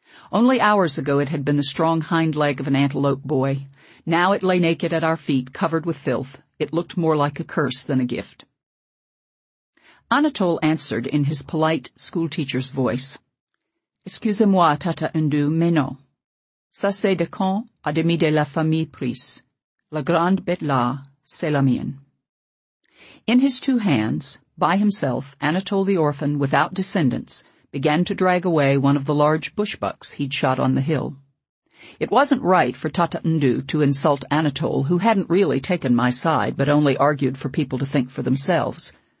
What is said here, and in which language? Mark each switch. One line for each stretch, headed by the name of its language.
English: Only hours ago it had been the strong hind leg of an antelope boy. Now it lay naked at our feet, covered with filth. It looked more like a curse than a gift. Anatole answered in his polite schoolteacher's voice,
French: "Excusez-moi, Tata Ndu, mais non. Ça c'est de quand a demi de la famille prise. La grande bête là, c'est la mienne."
English: In his two hands, by himself, Anatole the orphan, without descendants, began to drag away one of the large bushbucks he'd shot on the hill. It wasn't right for Tata Ndu to insult Anatole, who hadn't really taken my side, but only argued for people to think for themselves.